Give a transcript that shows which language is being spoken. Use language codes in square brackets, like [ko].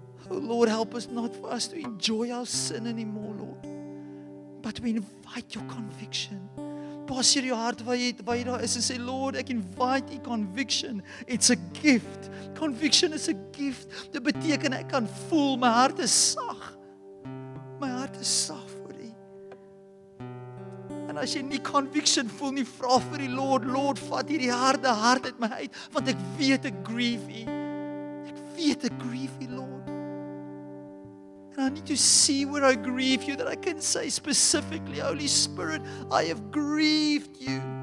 [en] Oh, Lord, help us not for us to enjoy our sin anymore, Lord, but we invite your conviction. [af] Pas hier jou hart waar jy daar is en sê, Lord, ek invite die conviction. [en] It's a gift. Conviction is a gift. [af] Dit beteken ek kan voel, my hart is sag. My hart is saaf vir U. En as jy nie conviction voel nie, vra vir die Lord, Lord, vat hierdie harde hart uit my uit, want ek weet ek grieve U. Ek weet ek grieve U, Lord. [en] And I need to see where I grieve You, that I can say specifically, Holy Spirit, I have grieved You.